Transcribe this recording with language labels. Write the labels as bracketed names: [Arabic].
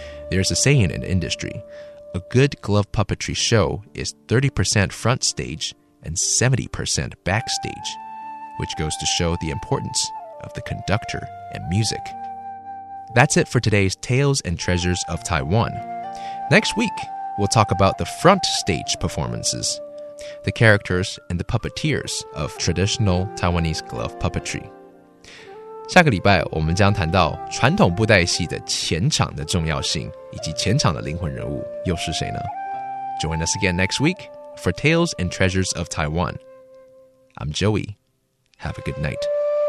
[English] There's a saying in the industry, a good glove puppetry show is 30% front stage and 70% backstage, which goes to show the importance of the conductor and music. That's it for today's Tales and Treasures of Taiwan. Next week, we'll talk about the front stage performances, the characters and the puppeteers of traditional Taiwanese glove puppetry. [Chinese] 下个礼拜我们将谈到传统布袋戏的前场的重要性，以及前场的灵魂人物又是谁呢？ [English] Join us again next week for Tales and Treasures of Taiwan. I'm Joey. Have a good night.